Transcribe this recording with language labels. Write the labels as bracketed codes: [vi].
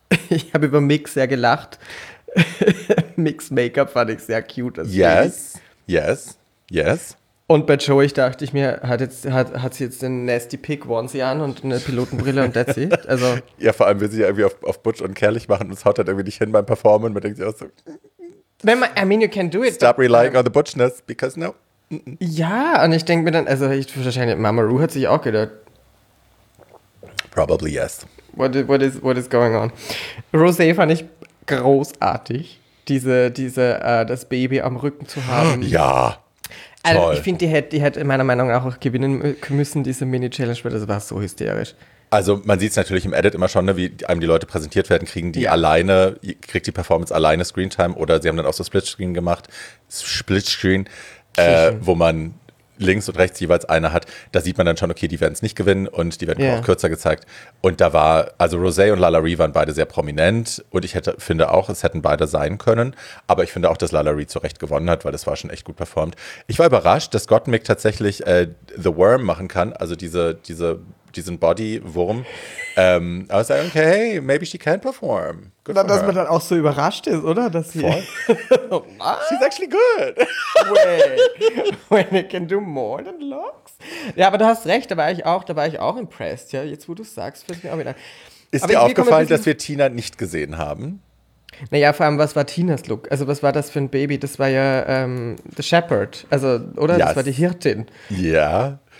[de] Ich habe über Mix sehr gelacht. Mix Make-up fand ich sehr cute. [en] Yes. [de] Und bei Joey dachte ich mir, hat sie jetzt den Nasty Pig Onesie an und eine Pilotenbrille und [en] that's it. [de] Also, ja, vor allem will sie ja irgendwie auf Butch und Kerlich machen und es haut halt irgendwie nicht hin beim Performen. Man denkt sich auch so. [en] You can do it. Stop relying on the butchness, because no. [de] Ja, und ich denke mir dann, wahrscheinlich Mama Ru hat sich auch gedacht. [en] Probably yes. What is going on? [de] Rosé fand ich großartig, das Baby am Rücken zu haben. Ja, also, toll. Ich finde, die hätte meiner Meinung nach auch gewinnen müssen, diese Mini-Challenge, weil das war so hysterisch. Also man sieht es natürlich im Edit immer schon, ne, wie einem die Leute präsentiert werden, kriegt die Performance alleine Screentime oder sie haben dann auch so Split-Screen, wo man links und rechts jeweils eine hat. Da sieht man dann schon, okay, die werden es nicht gewinnen und die werden auch kürzer gezeigt. Und da war, also Rosé und LaLaurie waren beide sehr prominent und ich finde auch, es hätten beide sein können. Aber ich finde auch, dass LaLaurie zu Recht gewonnen hat, weil das war schon echt gut performt. Ich war überrascht, dass Gottmik tatsächlich The Worm machen kann, also diesen Body-Wurm. [en] I was like, okay, maybe she can perform. Good for her. [de] Man dann auch so überrascht ist, oder? Dass sie [en] She's actually good. When it can do more than looks. [de] Ja, aber du hast recht, da war ich auch impressed. Ja, jetzt, wo du es sagst, fällt mir auch wieder. Ist aber dir aufgefallen, dass wir Tina nicht gesehen haben? Naja, vor allem, was war Tinas Look? Also, was war das für ein Baby? Das war ja The Shepherd, also, oder? Yes. Das war die Hirtin. Ja.